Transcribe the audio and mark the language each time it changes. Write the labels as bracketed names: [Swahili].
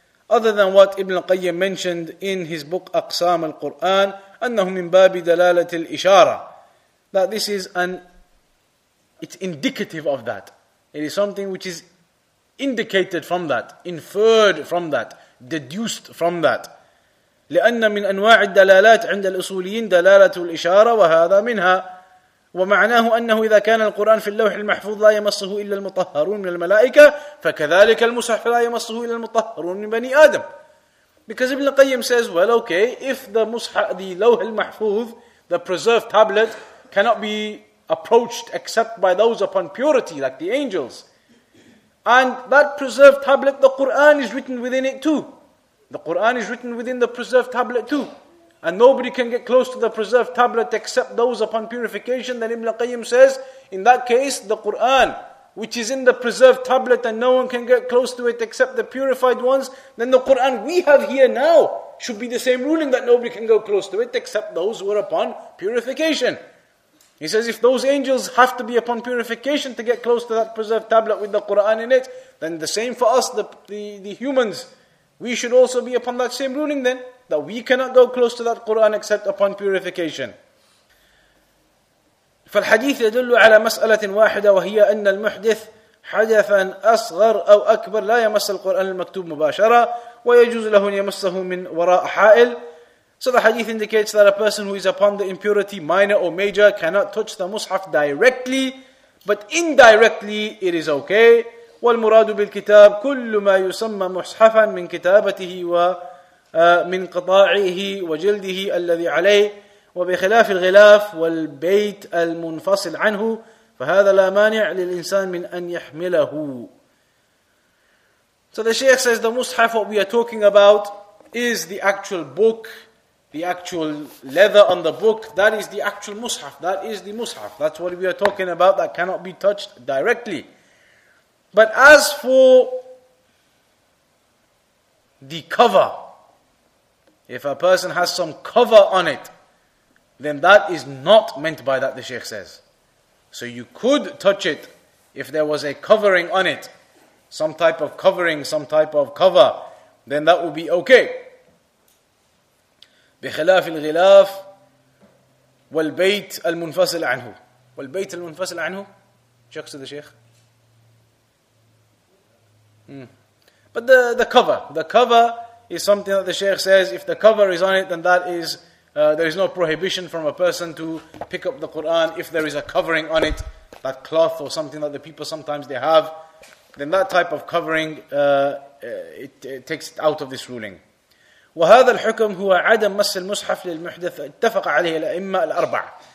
[English] Other than what Ibn al-Qayyim mentioned in his book Aqsam al-Qur'an, [Arabic] أنه من باب دلالة الإشارة. [English] That this is it's indicative of that. It is something which is indicated from that, inferred from that, deduced from that. [Arabic] لأن من أنواع الدلالات عند الأصوليين دلالة الإشارة وهذا منها. ومعناه أنه إذا كان القرآن في اللوح المحفوظ لا يمصه إلا المطهرون من الملائكة فكذلك المصحف لا يمصه إلا المطهرون من بني آدم. [English] Because Ibn Qayyim says, well, okay, if the لوح المحفوظ, the preserved tablet, cannot be approached except by those upon purity, like the angels, And that preserved tablet, the Qur'an is written within it too. The Qur'an is written within the preserved tablet too. And nobody can get close to the preserved tablet except those upon purification. Then Ibn Qayyim says, in that case, the Qur'an, which is in the preserved tablet and no one can get close to it except the purified ones, then the Qur'an we have here now should be the same ruling, that nobody can go close to it except those who are upon purification. He says, if those angels have to be upon purification to get close to that preserved tablet with the Qur'an in it, then the same for us, the humans, we should also be upon that same ruling then, that we cannot go close to that Qur'an except upon purification. [Arabic] فالحديث يدل على مسألة واحدة وهي أن المحدث حدثا أصغر أو أكبر لا يمس القرآن المكتوب مباشرة ويجوز له أن يمسه من وراء حائل. [English] So the hadith indicates that a person who is upon the impurity, minor or major, cannot touch the Mus'haf directly, but indirectly it is okay. [Arabic] والمراد بالكتاب كل ما يسمى مصحفا من كتابته ومن قطاعه وجلده الذي عليه وبخلاف الغلاف والبيت المنفصل عنه فهذا لا مانع للإنسان من أن يحمله. [English] So the Shaykh says the Mus'haf, what we are talking about is the actual book, the actual leather on the book, that is the actual Mus'haf, that is the Mus'haf, that's what we are talking about, that cannot be touched directly. But as for the cover, if a person has some cover on it, then that is not meant by that, the Shaykh says. So you could touch it if there was a covering on it, some type of covering, some type of cover, then that would be okay. [Arabic] بخلاف الغلاف والبيت المنفصل عنه. والبيت المنفصل عنه, شخص the Shaykh. [English] But the cover is something that the Shaykh says, if the cover is on it, then that is, there is no prohibition from a person to pick up the Qur'an if there is a covering on it, that cloth or something that the people sometimes they have, then that type of covering, it takes it out of this ruling. [Arabic] وهذا الحكم هو عدم مس المصحف للمحدث اتفق عليه الأئمة الأربعة.